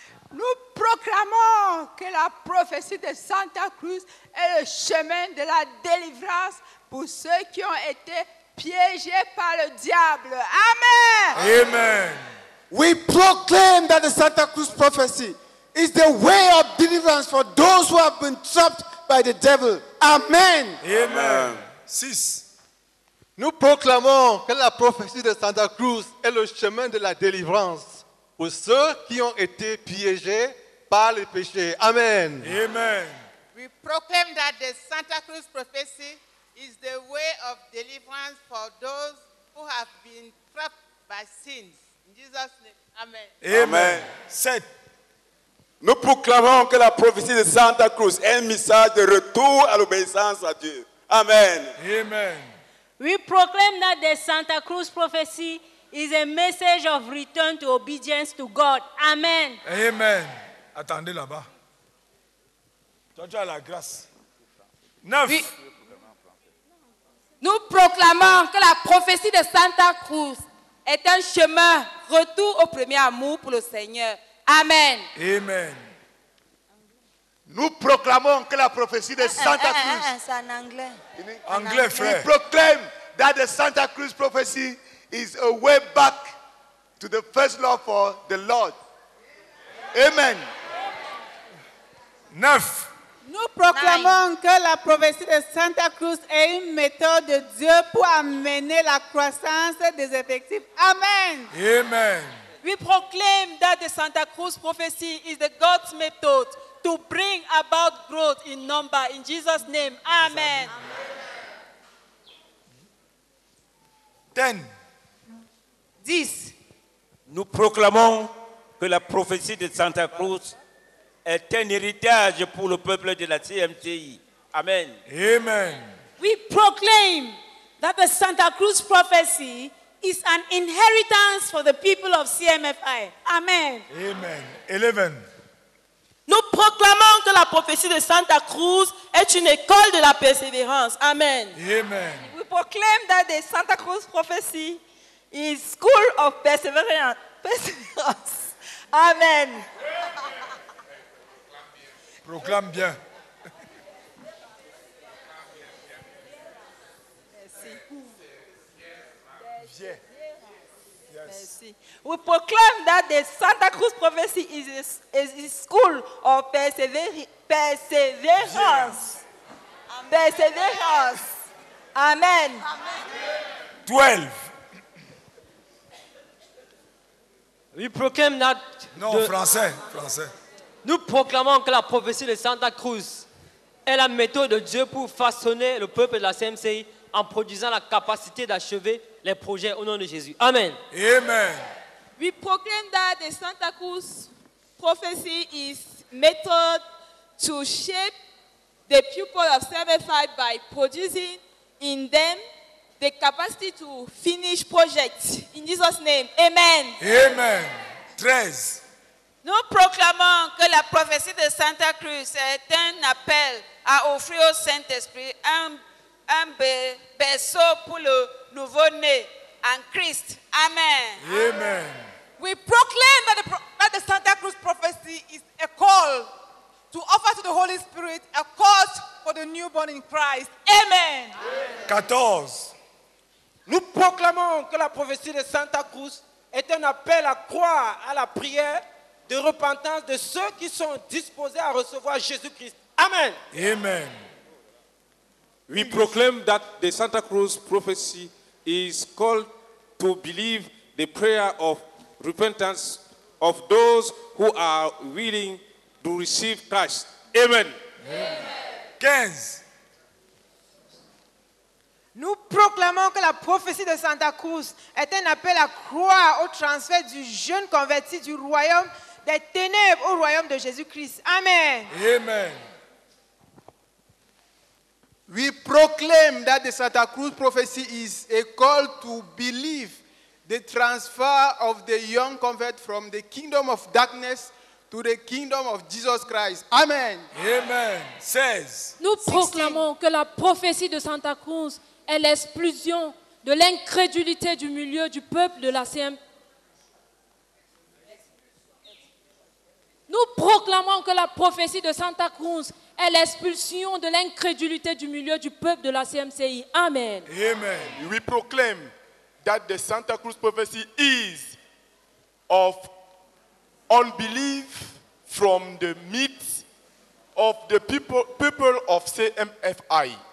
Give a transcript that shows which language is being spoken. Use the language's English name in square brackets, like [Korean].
[French] Nous proclamons que la prophétie de Santa Cruz est le chemin de la délivrance pour ceux qui ont été piégés par le diable. Amen. Amen. [English] We proclaim that the Santa Cruz prophecy is the way of deliverance for those who have been trapped by the devil. Amen. [French] Amen. Six. Nous proclamons que la prophétie de Santa Cruz est le chemin de la délivrance pour ceux qui ont été piégés par le péché. Amen. Amen. [English] We proclaim that the Santa Cruz prophecy is the way of deliverance for those who have been trapped by sins. In Jesus' name. Amen. [French] Amen. Amen. Sept. Nous proclamons que la prophétie de Santa Cruz est un message de retour à l'obéissance à Dieu. Amen. Amen. [English] We proclaim that the Santa Cruz prophecy is a message of return to obedience to God. Amen. [French] Amen. Attendez là-bas. Toi, tu as la grâce. Neuf. Nous proclamons que la prophétie de Santa Cruz est un chemin retour au premier amour pour le Seigneur. Amen. Amen. Nous proclamons que la prophétie de Santa Cruz. C'est en anglais. Anglais, frère. [English] We proclaim that the Santa Cruz prophecy is a way back to the first love for the Lord. Amen. 9. [French] Nous proclamons que la prophétie de Santa Cruz est une méthode de Dieu pour amener la croissance des effectifs. Amen. Amen. [English] We proclaim that the Santa Cruz prophecy is the God's method to bring about growth in number. In Jesus' name, amen. 10. 10. [French] Nous proclamons que la prophétie de Santa Cruz est un héritage pour le peuple de la CMTI. Amen. Amen. [English] We proclaim that the Santa Cruz prophecy is an inheritance for the people of CMFI. Amen. Amen. 11. [French] Nous proclamons que la prophétie de Santa Cruz est une école de la persévérance. Amen. Amen. [English] We proclaim that the Santa Cruz prophecy is school of perseverance. Amen. [French] Proclame bien. [English] We proclaim that the Santa Cruz prophecy is a school of perseverance. Amen. Perseverance. Amen. 12. We proclaim that. [French] Non, the, français, français. Nous proclamons que la prophétie de Santa Cruz est la méthode de Dieu pour façonner le peuple de la CMCI en produisant la capacité d'achever les projets au nom de Jésus. Amen. Amen. [English] We proclaim that the Santa Cruz prophecy is method to shape the people of CMFI by producing in them the capacity to finish projects. In Jesus' name, amen. Amen. 13. [French] Nous proclamons que la prophétie de Santa Cruz est un appel à offrir au Saint-Esprit un berceau pour le nouveau-né en Christ. Amen. Amen. [English] We proclaim that the Santa Cruz prophecy is a call to offer to the Holy Spirit a cause for the newborn in Christ. Amen. Amen. 14. [French] Nous proclamons que la prophétie de Santa Cruz est un appel à croire à la prière de repentance de ceux qui sont disposés à recevoir Jésus-Christ. Amen. Amen. [English] We proclaim that the Santa Cruz prophecy is called to believe the prayer of repentance of those who are willing to receive Christ. Amen. Amen. 15. [French] Nous proclamons que la prophétie de Santa Cruz est un appel à croire au transfert du jeune converti du royaume des ténèbres au royaume de Jésus-Christ. Amen. Amen. [English] We proclaim that the Santa Cruz prophecy is a call to believe the transfer of the young convert from the kingdom of darkness to the kingdom of Jesus Christ. Amen. Amen. 16. [French] Nous proclamons que la prophétie de Santa Cruz est l'expulsion de l'incrédulité du milieu du peuple de la CM. Nous proclamons que la prophétie de Santa Cruz est l'expulsion de l'incrédulité du milieu du peuple de la CMCI. Amen. Amen. [English] We proclaim that the Santa Cruz prophecy is of unbelief from the midst of the people of CMFI.